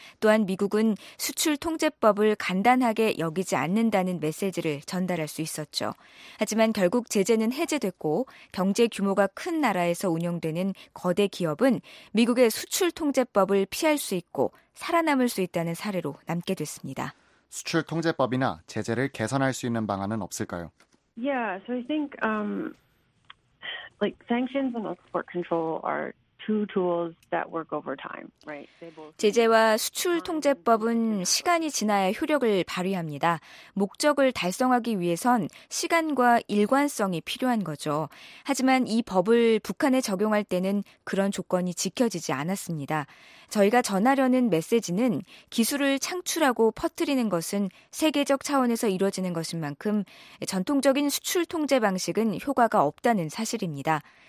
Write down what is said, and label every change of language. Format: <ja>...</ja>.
<ko>또한 미국은 수출 통제법을 간단하게 여기지 않는다는 메시지를 전달할 수 있었죠. 하지만 결국 제재는 해제됐고 경제 규모가 큰 나라에서 운영되는 거대 기업은 미국의 수출 통제법을 피할 수 있고 살아남을 수 있다는 사례로 남게 됐습니다. 수출 통제법이나 제재를 개선할 수 있는 방안은 없을까요?</ko> <en>Yeah, so I think like sanctions and export control are two tools that work over time, right?</en> <ko>제재와 수출 통제법은 시간이 지나야 효력을 발휘합니다. 목적을 달성하기 위해선 시간과 일관성이 필요한 거죠. 하지만 이 법을 북한에 적용할 때는 그런 조건이 지켜지지 않았습니다. 저희가 전하려는 메시지는 기술을 창출하고 퍼뜨리는 것은 세계적 차원에서 이루어지는 것인 만큼 전통적인 수출 통제 방식은 효과가 없다는 사실입니다.</ko>